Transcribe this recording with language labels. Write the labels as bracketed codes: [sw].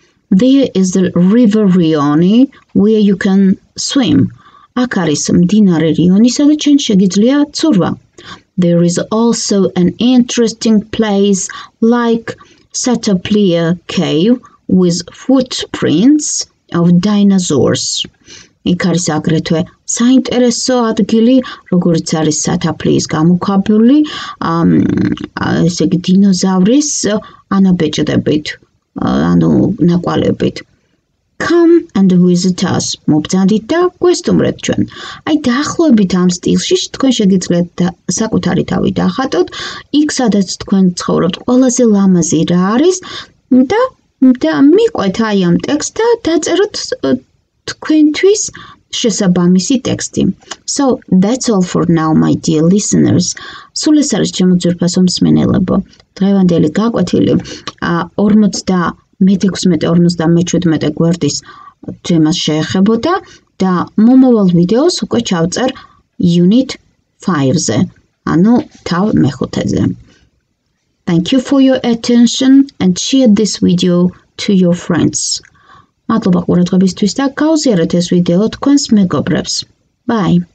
[en] There is the river Rioni where you can swim. [ka] Ak aris mdinare Rioni sada chen shegizlia tsurva. [en] There is also an interesting place like Setuplia cave with footprints of dinosaurs. [ka] იქ არის აგრეთვე საინტერესო ადგილი, როგორც არის სათაფლიის გამოქვაბული, ესე იგი დინოზავრის ანაბეჭდებით, ანუ ნაკვალებით. [en] Come and visit us. [ka] მოგწანდით და გვესტუმრეთ ჩვენ. აი დაახლოებით ამ სტილში თქვენ შეგიძლიათ საკუთარი თავი დახატოთ, იქ სადაც თქვენ ცხოვრობთ ყველაზე ლამაზი რა არის და მიყვეთ აი ამ ტექსტს და დაწეროთ თქვენთვის შესაბამისი ტექსტი. [en] So that's all for now my dear listeners. [ka] სულ ეს არის ჩემო ძვირფასო მსმენელებო. დღევანდელი გაკვეთილი 56-57 გვერდის თემას შეეხებოდა და მომავალ ვიდეოს უკვე ჩავწერ unit 5-ზე, ანუ თავ მეხუთეზე. [en] Thank you for your attention and share this video to your friends. [ka] მადლობა ყურადღებისთვის და გაუზიარეთ ეს ვიდეო თქვენს მეგობრებს. Bye.